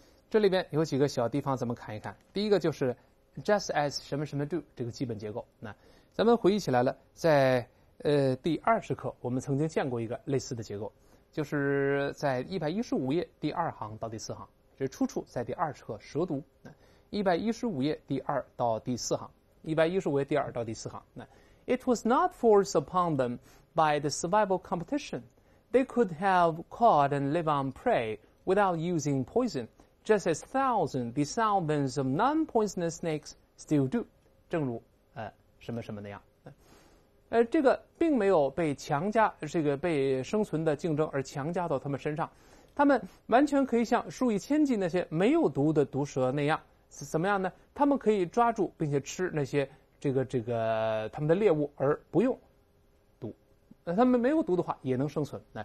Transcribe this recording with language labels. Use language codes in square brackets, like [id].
[zh] 这里边有几个小地方咱们看一看。第一个就是 [en] just as [zh] 什么什么 do 这个基本结构，咱们回忆起来了，在第20课我们曾经见过一个类似的结构，就是在115页第二行到第四行，这出处在第20课舌读，115页第二到第四行，115页第二到第四行。 [en] 那It was not forced upon them by the survival competition. They could have caught and live on prey without using poison, just as thousands of non-poisonous snakes still do. [zh] 正如什么什么那样。这个并没有被强加，这个被生存的竞争而强加到他们身上。他们完全可以像数以千计那些没有毒的毒蛇那样，是怎么样呢？他们可以抓住并且吃那些这个他们的猎物而不用毒，他们没有毒的话也能生存。